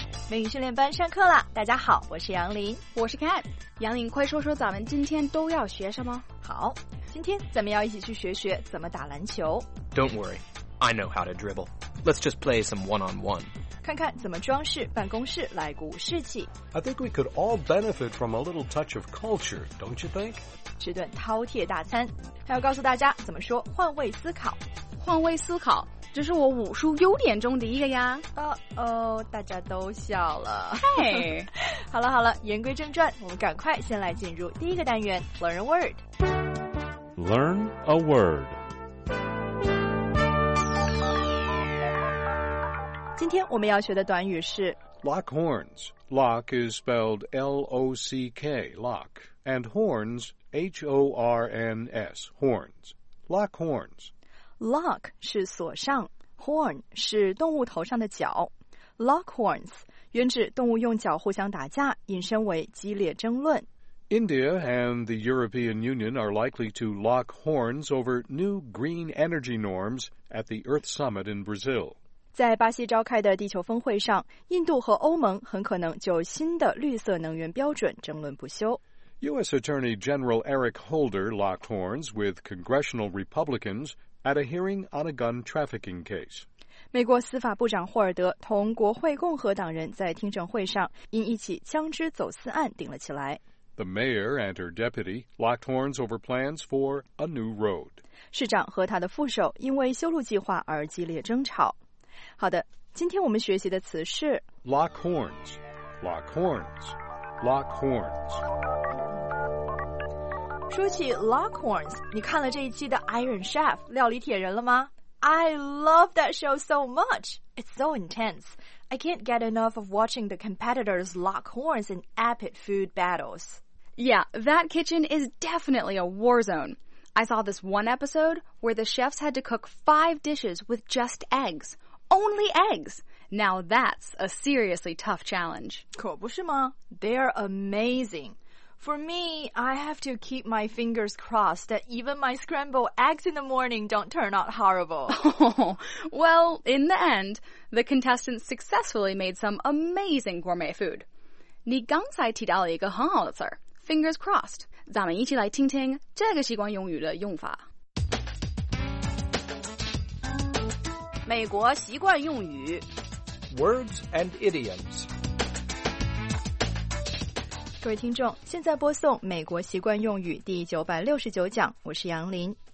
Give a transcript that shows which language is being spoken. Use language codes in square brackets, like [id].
[zh] 美语训练班上课了，大家好，我是杨林。我是 Cat。杨林，快说说咱们今天都要学什么。好，今天咱们要一起去学学怎么打篮球。 [en] Don't worry, I know how to dribble. Let's just play some one-on-one. [zh] 看看怎么装饰办公室来鼓舞士气。 [en] I think we could all benefit from a little touch of culture, don't you think? [zh] 吃顿饕餮大餐。还要告诉大家怎么说换位思考。换位思考，这是我武术优点中的一个呀。大家都笑了。嗨，好了好了，言归正传，我们赶快先来进入第一个单元 Learn a word。 [en] Learn a word。 [zh] 今天我们要学的短语是 [en] Lock horns. Lock is spelled L-O-C-K, lock. And horns, H-O-R-N-S, horns. Lock horns. [zh] Lock 是锁上， horn 是动物头上的角。 Lock horns 原指动物用角互相打架，引申为激烈争论。 [en] India and the European Union are likely to lock horns over new green energy norms at the Earth Summit in Brazil. [zh] 在巴西召开的地球峰会上，印度和欧盟很可能就新的绿色能源标准争论不休。 [en] U.S. Attorney General Eric Holder locked horns with congressional Republicans at a hearing on a gun trafficking case. [zh] 美国司法部长霍尔德同国会共和党人在听证会上因一起枪支走私案顶了起来。 [en] The mayor and her deputy locked horns over plans for a new road. [zh] 市长和他的副手因为修路计划而激烈争吵。好的，今天我们学习的词是 [en] lock horns, lock horns. Lock horns. [zh] 说起 lock horns, 你看了这一期的 Iron Chef, 料理铁人了吗？ [en] I love that show so much. It's so intense. I can't get enough of watching the competitors lock horns in epic food battles. Yeah, that kitchen is definitely a war zone. I saw this one episode where the chefs had to cook 5 dishes with just eggs. Only eggs! Now that's a seriously tough challenge. [zh] 可不是吗? [en] They're amazing. For me, I have to keep my fingers crossed that even my scrambled eggs in the morning don't turn out horrible. Oh, well, in the end, the contestants successfully made some amazing gourmet food. [zh] 你刚才提到了一个很好的词儿, fingers crossed. 咱们一起来听听这个习惯用语的用法。美国习惯用语。 [en] Words and idioms. [zh] 各位听众，现在播送美国习惯用语第969讲，我是杨林。